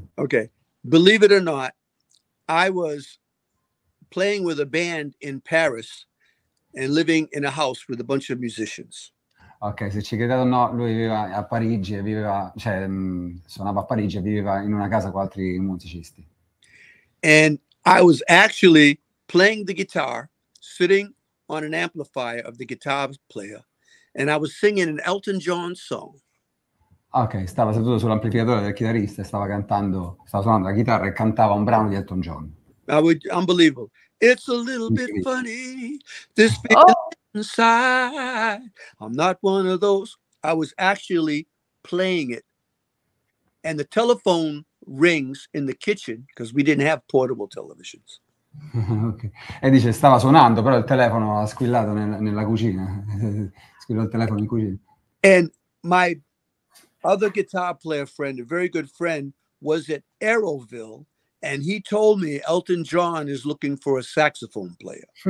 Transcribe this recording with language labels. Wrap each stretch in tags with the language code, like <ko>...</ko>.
<en>Okay, believe it or not, I was playing with a band in Paris and living in a house with a bunch of musicians.</en> <it>Ok, se ci credete o no, lui viveva a Parigi e suonava a Parigi e viveva in una casa con altri musicisti.</it> <en>And I was actually playing the guitar, sitting on an amplifier of the guitar player, and I was singing an Elton John song.</en> <it>Ok, stava seduto sull'amplificatore del chitarrista e stava suonando la chitarra e cantava un brano di Elton John.</it> <en>Unbelievable. It's a little bit funny, this feeling inside. I'm not one of those. I was actually playing it. And the telephone rings in the kitchen because we didn't have portable televisions. Okay.</en> <it>E dice, stava suonando, però il telefono ha squillato nella cucina. Squillò il telefono in cucina.</it> <en>And my other guitar player friend, a very good friend, was at Arrowville. And he told me Elton John is looking for a saxophone player.</en>